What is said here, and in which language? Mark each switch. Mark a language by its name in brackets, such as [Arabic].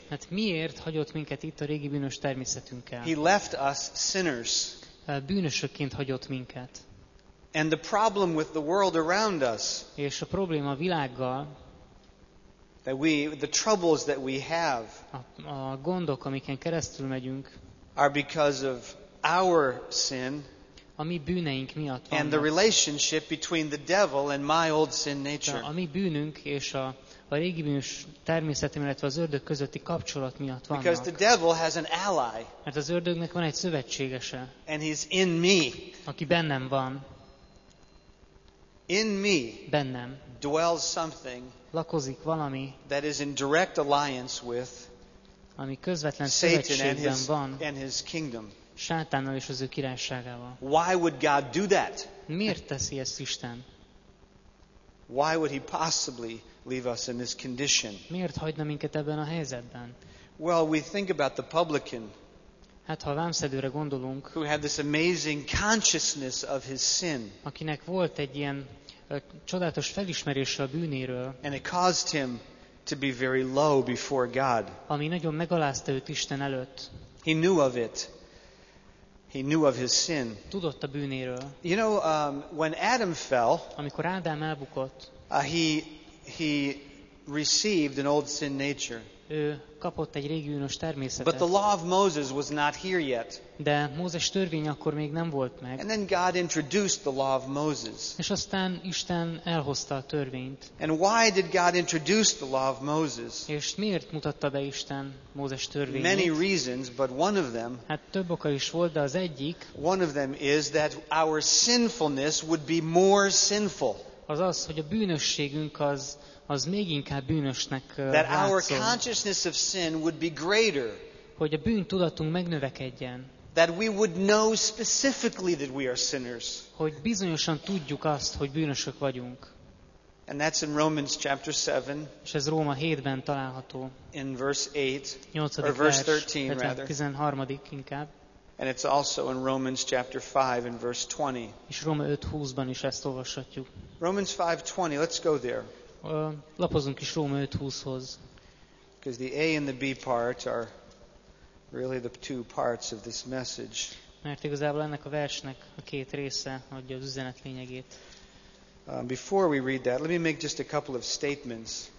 [Hungarian] Hát miért hagyott minket itt a régi bűnös természetünkkel? [English] He left us sinners. [Hungarian] Bűnösökként hagyott minket. [English] And the problem with the world around us. [Hungarian] És a probléma a világgal. [English] That we, the troubles that we have. [Hungarian] A gondok, amiken keresztül megyünk. [English] Are because of our sin. [Hungarian] A mi bűneink miatt van. [English] And the relationship between the devil and my old sin nature. [Hungarian] A mi bűnünk és a régi bűnös természetem, illetve az ördög közötti kapcsolat miatt van. [English] Because the devil has an ally. [Hungarian] Mert az ördögnek van egy szövetségese. [English] And he's in me. [Hungarian] Aki bennem van. [English] In me. [Hungarian] Bennem. [English] Dwells something. [Hungarian] Lakozik valami. [English] That is in direct alliance with. [Hungarian] Ami közvetlen szövetségben van. [English] And his kingdom. [Hungarian] Sátánnal és az ő királyságával. [English] Why would God do that? [Hungarian] Miért teszi ezt Isten? [English] Why would he possibly leave us in this condition? [Hungarian] Miért hagyna minket ebben a helyzetben? [English] Well, we think about the publican. [Hungarian] Hát ha a vámszedőre gondolunk, [English] who had this amazing consciousness of his sin, [Hungarian] akinek volt egy ilyen csodálatos felismerése a bűnéről, [English] and it caused him to be very low before God. [Hungarian] Ami nagyon megalázta őt Isten előtt. [English] He knew of it. He knew of his sin. [Hungarian] Tudott a bűnéről. [English] You know, when Adam fell, [Hungarian] amikor Ádám elbukott, [English] he received an old sin nature. [Hungarian] Ő kapott egy régi bűnös természetet. [English] But the law of Moses was not here yet. [Hungarian] De Mózes törvény akkor még nem volt meg. [English] And then God introduced the law of Moses. [Hungarian] És aztán Isten elhozta a törvényt. [English] And why did God introduce the law of Moses? [Hungarian] És miért mutatta be Isten Mózes törvényt? [English] Many reasons, but one of them. [Hungarian] Hát több oka is volt, de az egyik. [English] One of them is that our sinfulness would be more sinful. [Hungarian] Az, hogy a bűnösségünk az még inkább bűnösnek látszik. [English] That our consciousness of sin would be greater. [Hungarian] Hogy a bűn tudatunk megnövekedjen. [English] That we would know specifically that we are sinners. [Hungarian] Hogy bizonyosan tudjuk azt, hogy bűnösök vagyunk. [English] And that's in Romans chapter 7. [Hungarian] És ez Róma 7-ben található. [English] In verse 8. [Hungarian] 8. [English] Or verse 13 rather. [Hungarian] 13. inkább. [English] And it's also in Romans chapter 5 and verse 20. [Hungarian] És Róma 5:20-ban is ezt olvashatjuk. [English] Romans 5:20, let's go there. [Hungarian] Lapozunk is Róma 5:20-hoz. [English] Because the A and the B part are really the two parts of this message. [Hungarian] Mert igazából ennek a versnek a két része adja az üzenet lényegét. [English] Before we read that, let me make just a couple of statements.